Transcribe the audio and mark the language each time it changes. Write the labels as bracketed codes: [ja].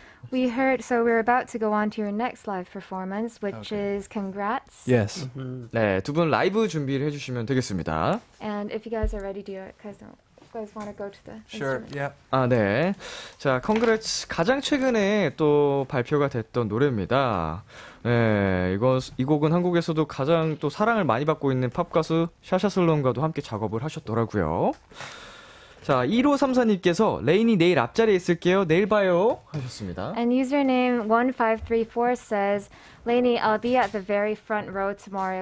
[en] We heard, so we're about to go on to your next live performance, which okay. is Congrats. Yes. Mm-hmm. [ko] 네, 두 분 라이브 준비를 해주시면 되겠습니다. [en] And if you guys are ready, do it, because you guys want to go to the Sure, yeah. [ko] 아, 네. 자, Congrats, 가장 최근에 또 발표가 됐던 노래입니다. 네, 이 곡은 한국에서도 가장 또 사랑을 많이 받고 있는 팝 가수 샤샤슬론과도 함께 작업을 하셨더라고요. 자, 1534님께서 레인이 내일 앞자리에 있을게요. 내일 봐요. 하셨습니다. [en] And username 1534 says, Lainey, I'll be at the very front row tomorrow.